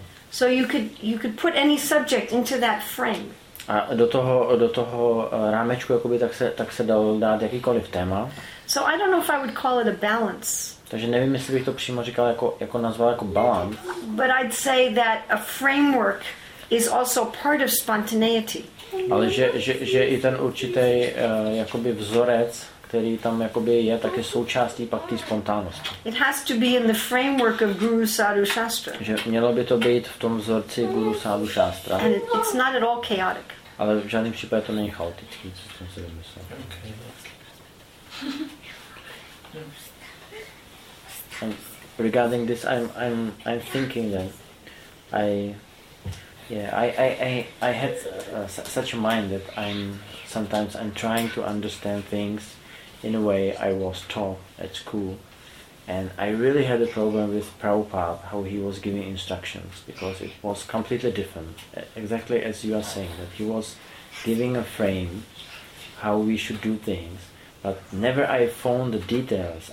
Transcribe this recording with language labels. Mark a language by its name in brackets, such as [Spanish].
[English] So you could put any subject into that frame. [Czech] A do toho rámečku jakoby tak se dal dát jakýkoliv téma. [English] So I don't know if I would call it a balance. [Czech] Takže nevím, jestli bych to přímo říkal jako nazval jako balance. [English] But I'd say that a framework is also part of spontaneity. [Czech] Ale že i ten určitý jakoby vzorec, který tam jakoby je, tak je součástí pak té spontánnosti. [English] It has to be in the framework of Guru Sadhu Shastra. [Czech] Že mělo by to být v tom vzorci Guru Sadhu Shastra. [English] And it's not at all chaotic. [Czech] Ale v žádném případě to není chaotický, co jsem si vymyslel. [English] And regarding this, I'm thinking that I had such a mind that I'm sometimes trying to understand things in a way I was taught at school, and I really had a problem with Prabhupada, how he was giving instructions, because it was completely different, exactly as you are saying, that he was giving a frame how we should do things, but never I found the details.